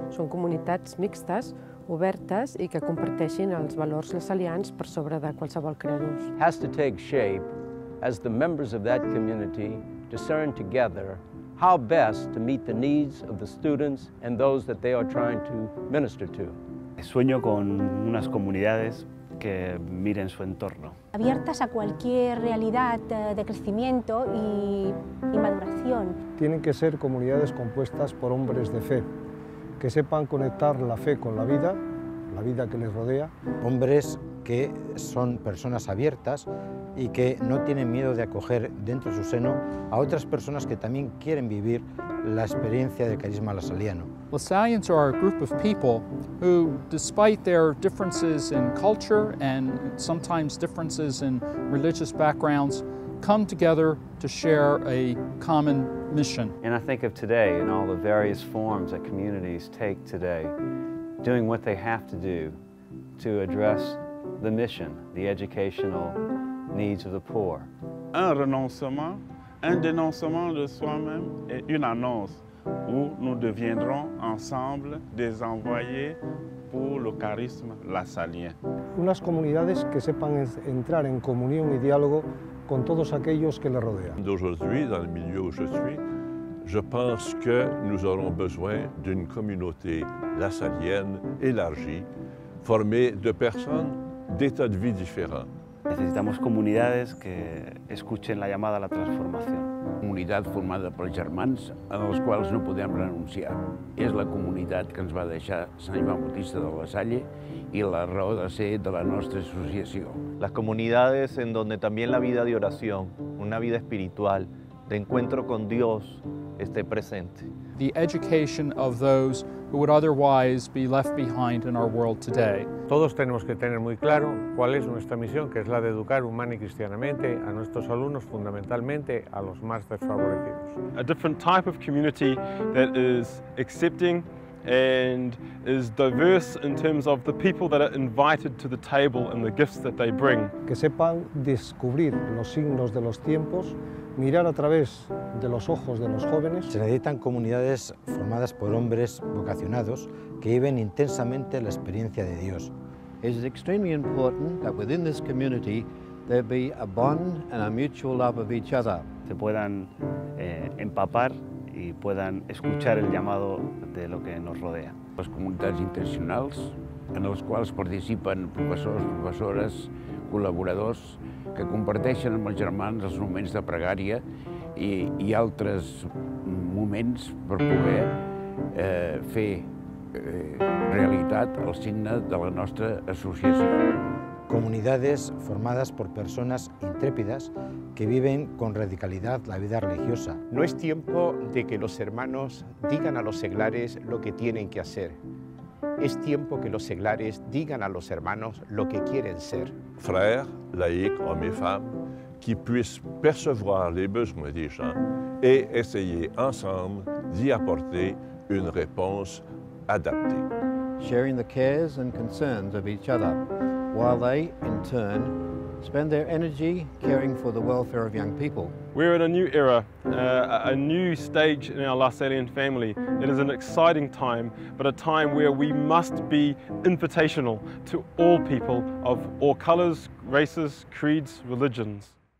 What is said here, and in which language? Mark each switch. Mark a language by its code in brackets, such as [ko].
[ca] Són comunitats mixtes, obertes i que comparteixin els valors lasallians per sobre de qualsevol credos. [en] Has to take shape as the members of that community discern together how best to meet the needs of the students and those that they are trying to minister to. [es] Sueño con unas comunidades que miren su entorno. Abiertas a cualquier realidad de crecimiento y maduración. Tienen que ser comunidades compuestas por hombres de fe, que sepan conectar la fe con la vida que les rodea. Hombres que son personas abiertas y que no tienen miedo de acoger dentro de su seno a otras personas que también quieren vivir la experiencia del carisma lasalliano. [en] Lasallians are a group of people who, despite their differences in culture and sometimes differences in religious backgrounds, come together to share a common mission. And I think of today and all the various forms that communities take today, doing what they have to do to address the mission, the educational needs of the poor. [fr] Un renoncement, un dénoncement de soi-même et une annonce où nous deviendrons ensemble des envoyés pour le charisme lasallien. [es] Unas comunidades que sepan entrar en comunión y diálogo con todos aquellos que le rodean. [fr] D'aujourd'hui, dans le milieu où je suis, je pense que nous aurons besoin d'une communauté lasallienne élargie, formée de personnes d'états de vie différents. [es] Necesitamos comunidades que escuchen la llamada a la transformación. Comunidad formada por [ca] germans [es] a los cuales no podemos renunciar. Es la comunidad que nos va dejar Sant Joan Bautista de la Salle y la raó de ser de la nuestra asociación. Las comunidades en donde también la vida de oración, una vida espiritual, de encuentro con Dios, esté presente. [en] The education of those who would otherwise be left behind in our world today. [es] Todos tenemos que tener muy claro cuál es nuestra misión, que es la de educar humana y cristianamente a nuestros alumnos, fundamentalmente a los más desfavorecidos. [en] A different type of community that is accepting and is diverse in terms of the people that are invited to the table and the gifts that they bring. [es] Que sepan descubrir los signos de los tiempos, mirar a través de los ojos de los jóvenes. Se necesitan comunidades formadas por hombres vocacionados que viven intensamente la experiencia de Dios. [en] It is extremely important that within this community there be a bond and a mutual love of each other. [es] Se puedan empapar y puedan escuchar el llamado de lo que nos rodea. [ca] les comunitats intencionals, en els quals participen professors, professores, col·laboradors, que comparteixen amb els germans els moments de pregària i altres moments per poder fer realitat el signe de la nostra associació. [es] Comunidades formadas por personas intrépidas que viven con radicalidad la vida religiosa. No es tiempo de que los hermanos digan a los seglares lo que tienen que hacer. Es tiempo que los seglares digan a los hermanos lo que quieren ser. [fr] Frères, laïcs, hommes y femmes, qui puissent percevoir les besoins des gens et essayer ensemble d'y apporter une réponse adaptée. [en] Sharing the cares and concerns of each other, while they, in turn, spend their energy caring for the welfare of young people. We're in a new era, a new stage in our La Salian family. It is an exciting time, but a time where we must be invitational to all people of all colors, races, creeds, religions.